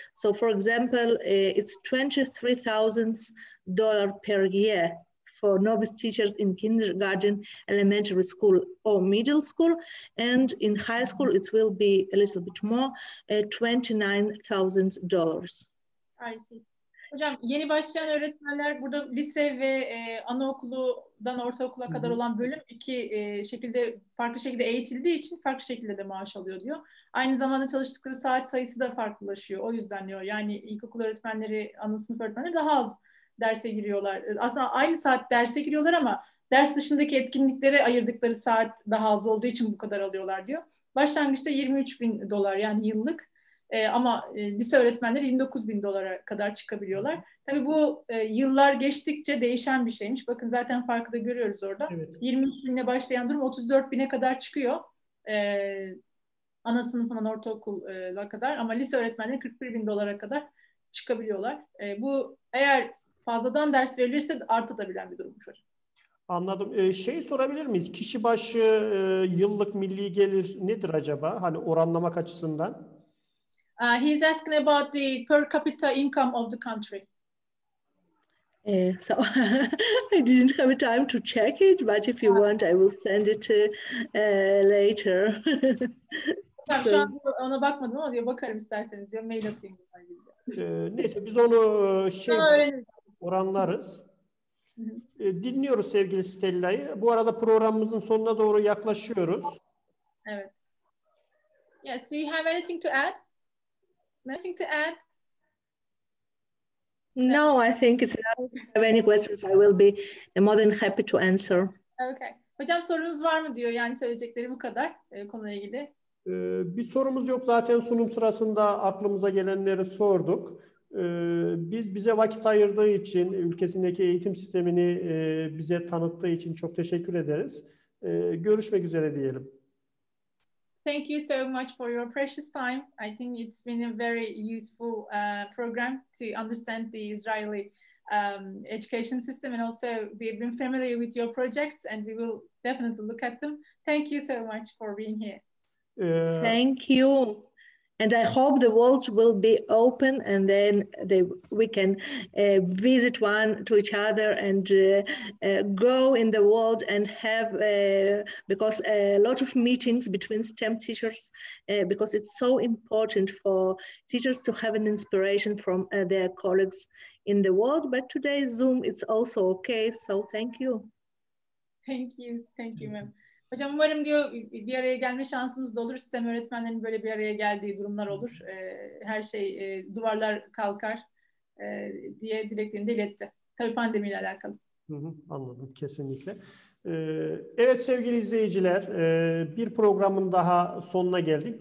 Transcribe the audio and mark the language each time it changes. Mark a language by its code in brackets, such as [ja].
[en] So for example, it's $23,000 per year for novice teachers in kindergarten, elementary school, or middle school. And in high school, it will be a little bit more, $29,000. I see. [tr] Hocam, yeni başlayan öğretmenler burada lise ve anaokuldan ortaokula mm-hmm. kadar olan bölüm iki şekilde, farklı şekilde eğitildiği için farklı şekilde de maaş alıyor diyor. Aynı zamanda çalıştıkları saat sayısı da farklılaşıyor. O yüzden diyor, yani ilkokul öğretmenleri, ana sınıf öğretmenleri daha az derse giriyorlar. Aslında aynı saat derse giriyorlar ama ders dışındaki etkinliklere ayırdıkları saat daha az olduğu için bu kadar alıyorlar diyor. Başlangıçta $23,000 yani yıllık ama lise öğretmenleri $29,000'a kadar çıkabiliyorlar. Tabii bu yıllar geçtikçe değişen bir şeymiş. Bakın zaten farkı da görüyoruz orada. Evet. 23.000'le başlayan durum 34.000'e kadar çıkıyor. Ana sınıfından ortaokula kadar ama lise öğretmenleri $41,000'a kadar çıkabiliyorlar. Bu eğer fazladan ders verilirse artabilen bir durummuş hocam. Anladım. Şey sorabilir miyiz? Kişi başı yıllık milli gelir nedir acaba? Hani oranlamak açısından. [en] He's asking about the per capita income of the country. So I didn't have time to check it, but if you want, I will send it later. [tr] Tamam, şu an ona bakmadım ama diyor, bakarım isterseniz diyor, mail atayım. Neyse, biz onu oranlarız. Dinliyoruz sevgili Stella'yı. Bu arada programımızın sonuna doğru yaklaşıyoruz. Evet. [en] Yes, do you have anything to add? Nothing to add? No, I think it's enough. If you have any questions, I will be more than happy to answer. Okay. [tr] Hocam sorunuz var mı diyor. Yani söyleyecekleri bu kadar konuyla ilgili. Bir sorumuz yok. Zaten sunum sırasında aklımıza gelenleri sorduk. Biz bize vakit ayırdığı için, ülkesindeki eğitim sistemini bize tanıttığı için çok teşekkür ederiz. Görüşmek üzere diyelim. [en] Thank you so much for your precious time. I think it's been a very useful program to understand the Israeli education system, and also we've been familiar with your projects and we will definitely look at them. Thank you so much for being here. Thank you. And I hope the world will be open and then we can visit one to each other and go in the world and have, because a lot of meetings between STEM teachers, because it's so important for teachers to have an inspiration from their colleagues in the world. But today, Zoom, it's also okay. So thank you. Thank you. Thank you, ma'am. [tr] Hocam umarım diyor bir araya gelme şansımız da olur. Sistem öğretmenlerinin böyle bir araya geldiği durumlar olur. Her şey duvarlar kalkar diye dileklerini de iletti. Tabii pandemiyle alakalı. Hı hı, anladım kesinlikle. Evet sevgili izleyiciler, bir programın daha sonuna geldik.